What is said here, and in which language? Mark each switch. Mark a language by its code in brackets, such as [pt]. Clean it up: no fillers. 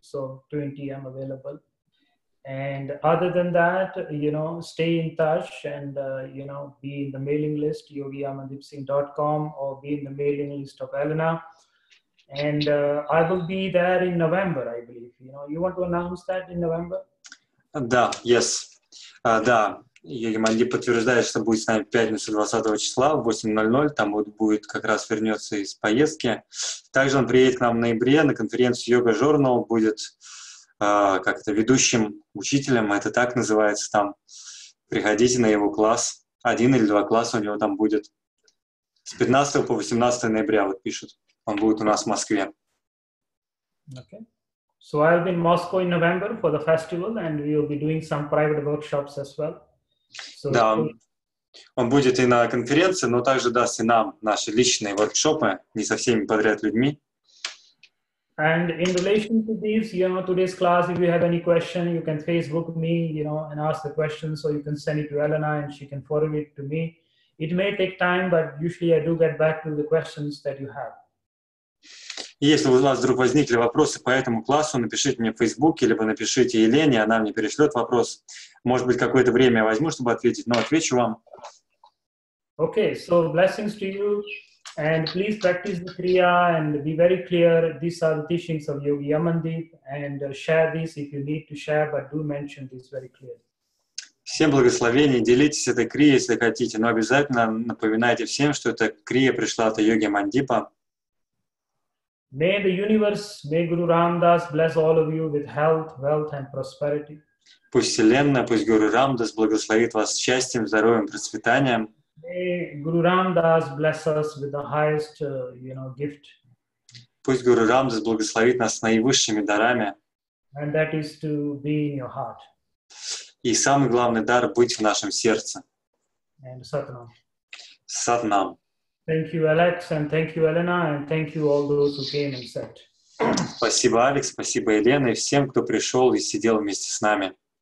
[en] So 20 I'm available. And other than that, you know, stay in touch and, you know, be in the mailing list, yogiamandeepsingh.com or be in the mailing list of Elena. And I will be there in November, I believe. You know, you want to announce that in November? [ru] Да, [en] yes. [ru] Да. Йоги Мандип подтверждает, что будет с нами пятницу 20 числа в 8:00, там вот будет как раз вернется из поездки. Также он приедет к нам в ноябре на конференцию Йога Журнал, будет как-то ведущим учителем, это так называется там. Приходите на его класс, 1 или 2 класса у него там будет. С 15 по 18 ноября, вот пишут, он будет у нас в Москве. [en] Okay. So I'll be in Moscow in November for the festival and we'll be doing some private workshops as well. [ru] So, да, он будет и на конференции, но также даст и нам наши личные воркшопы, не со всеми подряд людьми. [en] And in relation to this, you know, today's class, if you have any question, you can Facebook me, you know, and ask the question, so you can send it to Elena and she can forward it to me. It may take time, but usually I do get back to the questions that you have. [ru] Если у вас вдруг возникли вопросы по этому классу, напишите мне в Фейсбуке, либо напишите Елене, она мне перешлет вопрос. Может быть, какое-то время я возьму, чтобы ответить, но отвечу вам. [en] Okay, so blessings to you. And please practice the kriya and be very clear. These are the teachings of Yogi Yamandeep. And share this if you need to share, but do mention this very clearly. [ru] Всем благословений, делитесь этой крией, если хотите, но обязательно напоминайте всем, что эта крия пришла от йоги Мандипа. [en] May the universe, may Guru Ramdas bless all of you with health, wealth and prosperity. [ru] Пусть Вселенная, пусть Гуру Рамдас благословит вас счастьем, здоровьем, процветанием. [en] May Guru Ramdas bless us with the highest, gift. [ru] Пусть Гуру Рамдас благословит нас наивысшими дарами. [en] And that is to be in your heart. [ru] И самый главный дар — быть в нашем сердце. [en] And Satnam. Satnam. Thank you, Alex, and thank you, Elena, and thank you all those who came and sat. [ru] Спасибо, Алекс, спасибо, Елена, и всем, кто пришел и сидел вместе с нами.